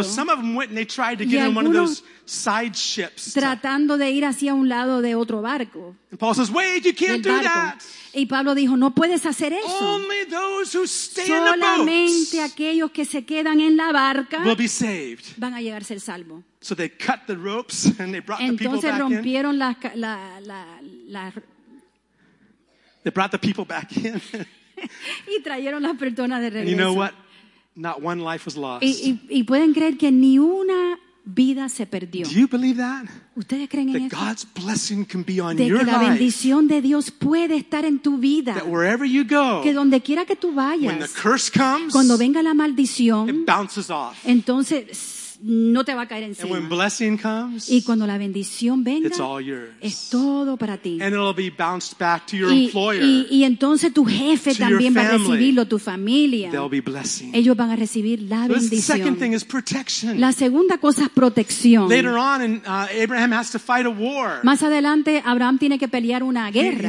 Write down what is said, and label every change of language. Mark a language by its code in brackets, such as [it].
[en] So some of them went and they tried to get on one of those side ships. [es] Tratando de ir hacia un lado de otro barco. [en] And Paul says, "Wait, you can't do that." [es] Y Pablo dijo, no puedes hacer eso. [en] Only those who stay [es] solamente [en] in [es] aquellos que se quedan en la barca [en] will be saved. [es] Van a llegar a ser salvos. [en] So they cut the ropes and they brought [es] entonces [en] the [es] rompieron [en] back in. They brought the people back in. [es] Y trajeron las personas de regreso. [en] And you know what? Not one life was lost. [es] Y pueden creer que ni una vida se perdió. [en] Do you believe that? [es] ¿Ustedes creen [en] that [es] en eso? [en] God's blessing can be on [es] de [en] your [es] que la bendición [en] life. [es] De Dios puede estar en tu vida. [en] That wherever you go, [es] que donde quiera que tú vayas, [en] when the curse comes, [es] cuando venga la maldición, [en] it bounces off. [es] Entonces no te va a caer encima. [en] And when blessing comes, [es] y cuando la bendición venga, [en] it's all yours. [es] Es todo para ti. [en] And it'll be bounced back to your employer. [es] Y entonces tu jefe también va a recibirlo, tu familia. [en] They'll be blessing. [es] Ellos van a recibir la bendición. [en] The second thing is protection. [es] La segunda cosa es protección. [en] Later on, Abraham has to fight a war. [es] Más adelante, Abraham tiene que pelear una guerra.